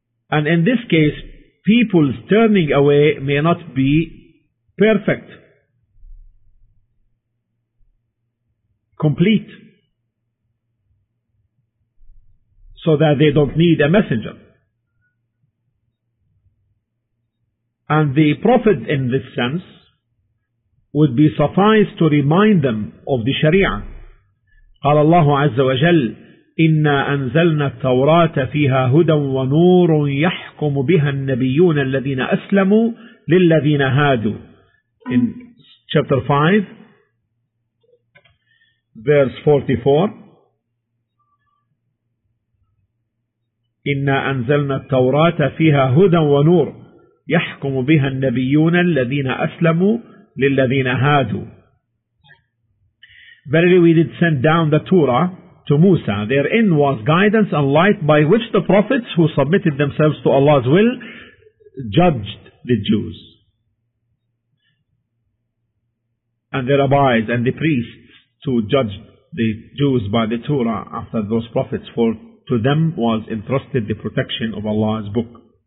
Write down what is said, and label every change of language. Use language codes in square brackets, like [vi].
[en] And in this case, people's turning away may not be perfect, complete, so that they don't need a messenger. And the Prophet in this sense would be suffice to remind them of the Sharia. [ar] قال الله عز وجل إنا أنزلنا التوراة فيها هدى ونور يحكم بها النبيون الذين أسلموا للذين هادوا. [en] In chapter 5 verse 44 [ar] إنا أنزلنا التوراة فيها هدى ونور يحكم بها النبيون الذين أسلموا للذين هادوا. [en] Verily we did send down the Torah to Musa. Therein was guidance and light by which the prophets who submitted themselves to Allah's will judged the Jews and their rabbis and the priests to judge the Jews by the Torah after those prophets, for to them was entrusted the protection of Allah's book.